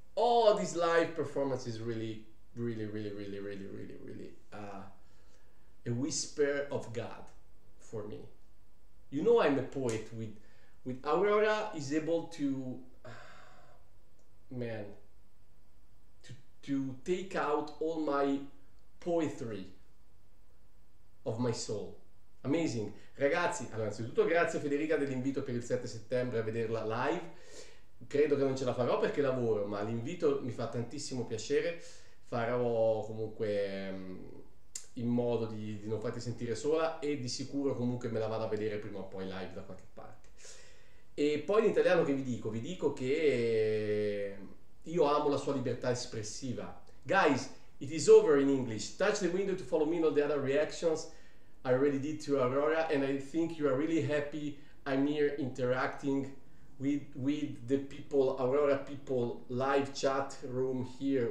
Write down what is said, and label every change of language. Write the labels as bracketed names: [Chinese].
[English] Oh, this live performance is really, really, really, really, really, really, really a whisper of God for me. You know, I'm a poet with Aurora is able to, man, to take out all my poetry of my soul. Amazing. [Italian] Ragazzi, allora, innanzitutto grazie Federica dell'invito per il 7 settembre a vederla live. Credo che non ce la farò perché lavoro, ma l'invito mi fa tantissimo piacere. Farò comunque in modo di non farti sentire sola, e di sicuro comunque me la vado a vedere prima o poi live da qualche parte. E poi in italiano che vi dico che io amo la sua libertà espressiva. [English] Guys, it is over in English. Touch the window to follow me on the other reactions I already did to Aurora, and I think you are really happy I'm here interacting with the people, Aurora people, live chat room here.